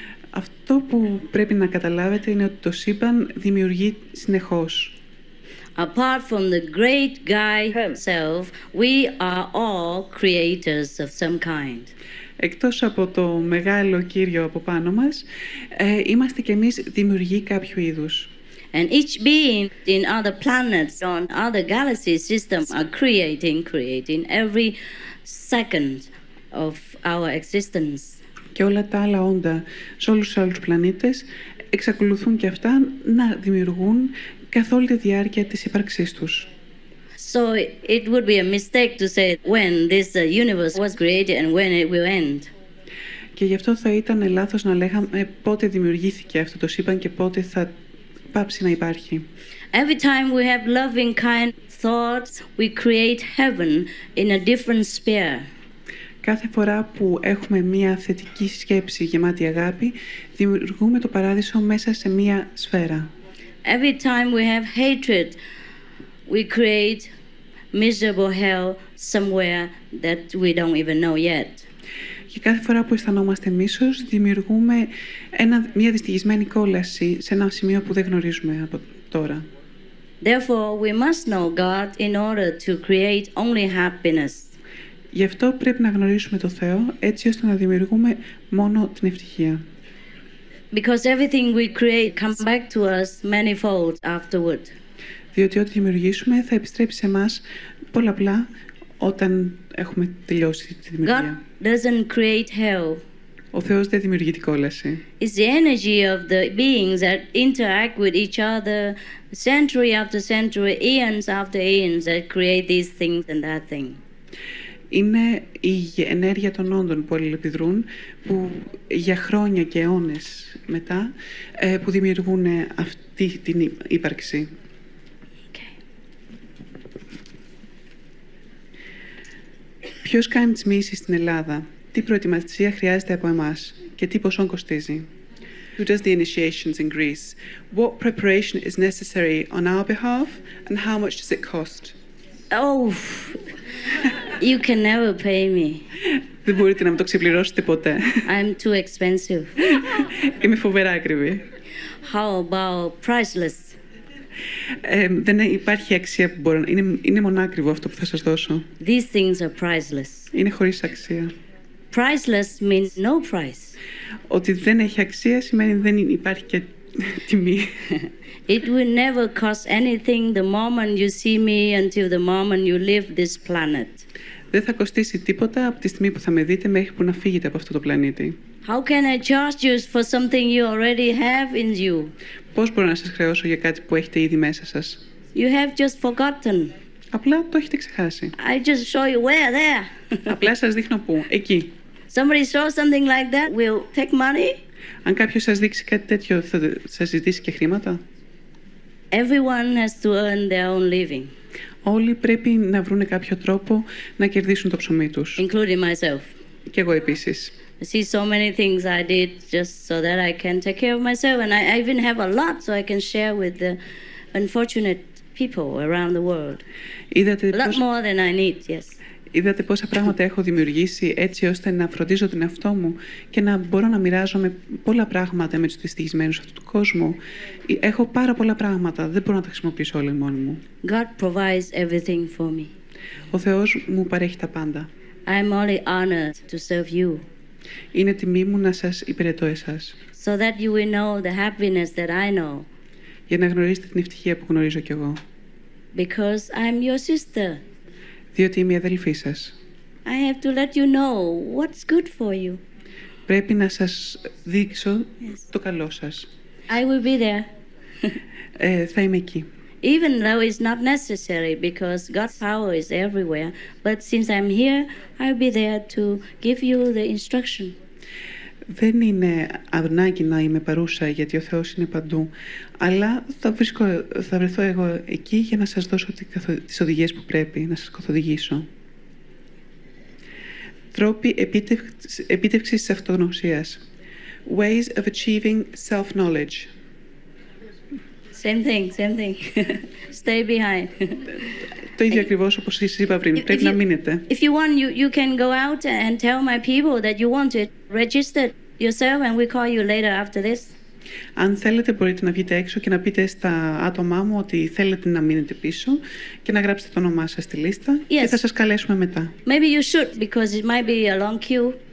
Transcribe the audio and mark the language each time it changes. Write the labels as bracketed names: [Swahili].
[Greek] Αυτό που πρέπει να καταλάβετε είναι ότι το σύμπαν δημιουργεί συνεχώς. [English] Apart from the great guy himself, we are all creators of some kind. [Greek] Εκτός από το μεγάλο κύριο από πάνω μας, είμαστε κι εμείς δημιουργοί κάποιου είδους. [English] And each being in other planets, on other galaxy systems, are creating every second of our existence. [Greek] Και όλα τα άλλα όντα σε όλους τους άλλους πλανήτες εξακολουθούν και αυτά να δημιουργούν καθ' όλη τη διάρκεια της ύπαρξής τους. [English] So it would be a mistake to say when this universe was created and when it will end. [Greek] Και γι' αυτό θα ήταν λάθος να λέγαμε πότε δημιουργήθηκε αυτό το σύμπαν και πότε θα πάψει να υπάρχει. [English] Every time we have loving kind thoughts, we create heaven in a different sphere. [Greek] Κάθε φορά που έχουμε μία θετική σκέψη γεμάτη αγάπη, δημιουργούμε το παράδεισο μέσα σε μία σφαίρα. [English] Every time we have hatred, we create miserable hell somewhere that we don't even know yet. [Greek] Και κάθε φορά που αισθανόμαστε μίσος, δημιουργούμε μία δυστυχισμένη κόλαση σε ένα σημείο που δεν γνωρίζουμε από τώρα. [English] Therefore, we must know God in order to create only happiness. [Greek] Γι' αυτό πρέπει να γνωρίσουμε το Θεό, έτσι ώστε να δημιουργούμε μόνο την ευτυχία. [English] Because everything we create comes back to us manifold afterward. [Greek] Διότι ό,τι δημιουργήσουμε θα επιστρέψει σε εμάς πολλαπλά όταν έχουμε τελειώσει τη δημιουργία. [English] God doesn't create hell. [Greek] Ο Θεός δεν δημιουργεί την κόλαση. [English] It's the energy of the beings that interact with each other century after century, eons after eons that create these things and that thing. [Greek] Είναι η ενέργεια των όντων που αλληλεπιδρούν, που για χρόνια και αιώνες μετά, που δημιουργούν αυτή την ύπαρξη. [English] Okay. [Greek] Ποιος κάνει τις μίσεις στην Ελλάδα, τι προετοιμασία χρειάζεται από εμάς και τι ποσόν κοστίζει. [English] Who does the initiations in Greece? What preparation is necessary on our behalf and how much does it cost? Oh, you can never pay me. [Greek] Δεν μπορείτε να μου το ξεπληρώσετε ποτέ. [English] I'm too expensive. [Greek] Είμαι φοβερά ακριβή. [English] How about priceless? [Greek] Δεν υπάρχει αξία που μπορώ να... Είναι μονάκριβο αυτό που θα σας δώσω. [English] These things are priceless. [Greek] Είναι χωρίς αξία. [English] Priceless means no price. [Greek] Ότι δεν έχει αξία σημαίνει δεν υπάρχει και τιμή. [English] It will never cost anything the moment you see me until the moment you leave this planet. [Greek] Δεν θα κοστίσει τίποτα από τη στιγμή που θα με δείτε μέχρι που να φύγετε από αυτό το πλανήτη. [English] How can I charge you for something you already have in you? [Greek] Πώς μπορώ να σας χρεώσω για κάτι που έχετε ήδη μέσα σας? [English] You have just forgotten. [Greek] Απλά το έχετε ξεχάσει. [English] I just show you where there. [Greek] Απλά σας δείχνω πού, εκεί. [English] Somebody saw something like that, will take money? [Greek] Αν κάποιος σας δείξει κάτι τέτοιο, θα σας ζητήσει και χρήματα? [English] Everyone has to earn their own living. [Greek] Όλοι πρέπει να βρουν κάποιο τρόπο να κερδίσουν το ψωμί τους. [English] Including myself. [Greek] Και εγώ επίσης. [English] I see so many things I did just so that I can take care of myself, and I even have a lot so I can share with the unfortunate people around the world. [Greek] Είδατε [English] a lot more than I need, yes. [Greek] Είδατε πόσα πράγματα έχω δημιουργήσει έτσι ώστε να φροντίζω τον εαυτό μου και να μπορώ να μοιράζομαι πολλά πράγματα με τους δυστυχισμένους αυτού του κόσμου. Έχω πάρα πολλά πράγματα. Δεν μπορώ να τα χρησιμοποιήσω όλοι μόνοι μου. [English] God provides everything for me. [Greek] Ο Θεός μου παρέχει τα πάντα. [English] I am only honored to serve you. [Greek] Είναι τιμή μου να σας υπηρετώ εσάς. [English] So that you will know the happiness that I know. [Greek] Για να γνωρίσετε την ευτυχία που γνωρίζω κι εγώ. [English] Because I'm your sister. [Greek] Διότι είμαι η αδελφή σας. [English] I have to let you know what's good for you. [Greek] Πρέπει να σας δείξω το καλό σας. [English] I will be there. [Greek] Θα είμαι εκεί. [English] Even though it's not necessary because God's power is everywhere, but since I'm here, I'll be there to give you the instruction. [Greek] Δεν είναι ανάγκη να είμαι παρούσα γιατί ο Θεός είναι παντού, αλλά θα βρεθώ εγώ εκεί για να σας δώσω τις οδηγίες που πρέπει να σας καθοδηγήσω. Τρόποι επίτευξης της αυτογνωσίας. [English] Ways of achieving self-knowledge. Same thing, same thing. Stay behind. [Greek] Το ίδιο ακριβώς όπως σας είπα πριν. Πρέπει να μείνετε. [English] If you want, you can go out and tell my people that you want it. Register yourself and we call you later after this. [Greek] Αν θέλετε, μπορείτε να βγείτε έξω και να πείτε στα άτομά μου ότι θέλετε να μείνετε πίσω και να γράψετε το όνομά σας στη λίστα και θα σας καλέσουμε μετά. [English] Maybe you should because it might be a long queue.